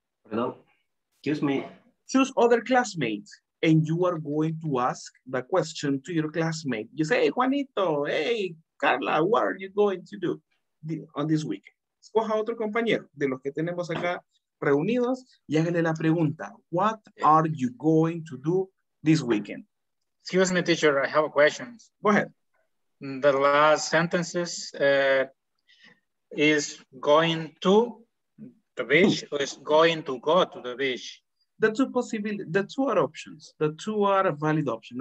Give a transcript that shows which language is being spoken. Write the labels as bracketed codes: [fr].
[en] Hello, excuse me. Choose other classmates, and you are going to ask the question to your classmate. You say, hey, Juanito, hey, Carla, what are you going to do on this week? [es] Escoja otro compañero de los que tenemos acá reunidos y hágale la pregunta. [en] What are you going to do this weekend? Excuse me, teacher, I have a question. Go ahead. The last sentences, is going to the beach or is going to go to the beach? The two possible, the two are options. The two are a valid option.